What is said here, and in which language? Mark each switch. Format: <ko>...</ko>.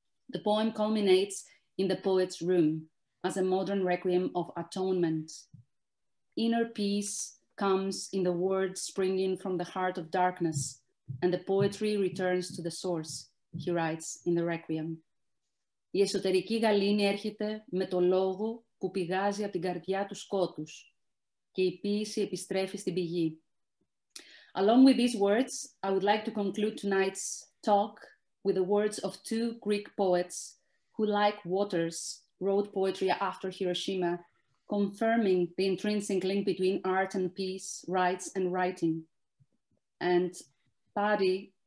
<en>The poem culminates in the poet's room as a modern requiem of atonement. Inner peace comes in the word springing from the heart of darkness, and the poetry returns to the source, he writes in the Requiem.</en> <el>Η εσωτερική γαλήνη έρχεται με το λόγο που πηγάζει από την καρδιά του σκότους και η ποίηση επιστρέφει στην πηγή.</el> <en>Along with these words, I would like to conclude tonight's talk with the words of two Greek poets who, like Waters, wrote poetry after Hiroshima, confirming the intrinsic link between art and peace, rights and writing. And Paddy</en>